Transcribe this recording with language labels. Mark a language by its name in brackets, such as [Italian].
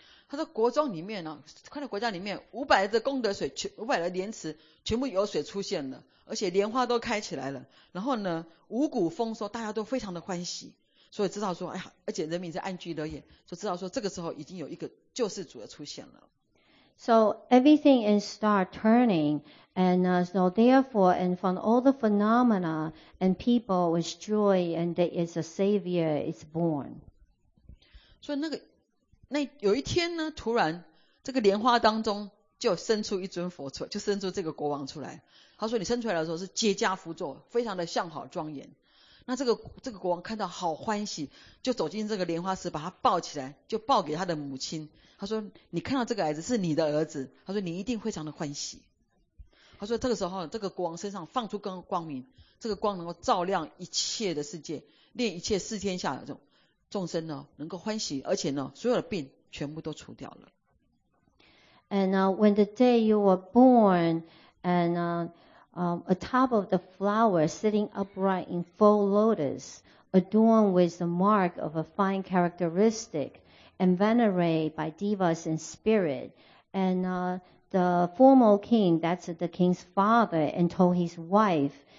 [Chinese] 他说国中里面看到国家里面500的功德水500的莲池全部有水出现了，而且莲花都开起来了，然后呢五谷丰收，大家都非常的欢喜，所以知道说哎呀，而且人民是安居乐业，就知道说这个时候已经有一个救世主的出现了。 [English] So everything is start turningAnd so therefore, and from all the phenomena and people with joy, and there is a savior is born. [Chinese] So 那有一天呢，突然这个莲花当中就生出一尊佛出来，就生出这个国王出来。他说你生出来的时候是结跏趺坐，非常的相好庄严。那这个国王看到好欢喜，就走进这个莲花池，把他抱起来，就抱给他的母亲。他说你看到这个孩子是你的儿子，他说你一定非常的欢喜。他说这个时候这个国王身上放出光明，这个光能够照亮一切的世界，令一切四天下的众生呢能够欢喜，而且呢所有的病全部都除掉了。 [English] And when the day you were born, and atop of the flower sitting upright in full lotus, adorned with the mark of a fine characteristic, and venerated by devas and spirit, andThe former king, that's the king's father, and told his wife.